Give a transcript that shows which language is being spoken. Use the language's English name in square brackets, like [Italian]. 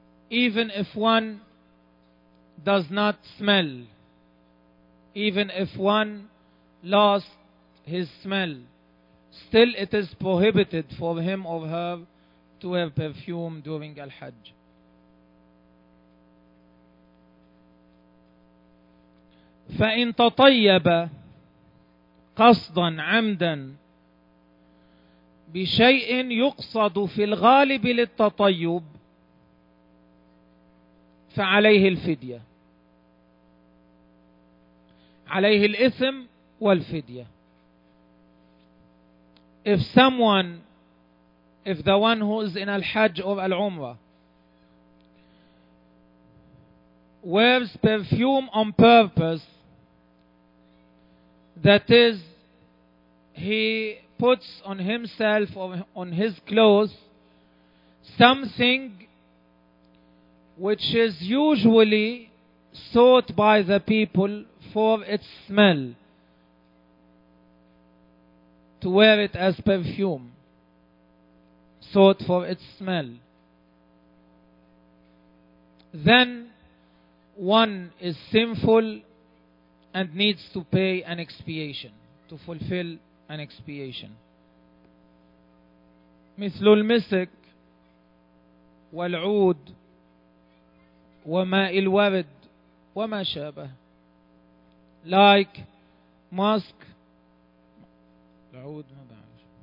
[English] Even if one does not smell, even if one lost his smell, still it is prohibited for him or her to wear perfume during al-hajj. [Arabic] فَإِن تَطَيَّبَ قَصْدًا عَمْدًا بِشَيْءٍ يُقْصَدُ فِي الْغَالِبِ لِلْتَطَيُّبِ فعليه الفدية عليه الإثم والفدية. [English] If someone if the one who is in al-hajj or al-umrah wears perfume on purpose, that is, he puts on himself or on his clothes something which is usually sought by the people for its smell, to wear it as perfume, sought for its smell, then one is sinful and needs to pay an expiation, to fulfill an expiation. [Arabic] مثل المسك والعود وماء الورد وما شابه. [English] Like musk, [Arabic] العود ما بعرف.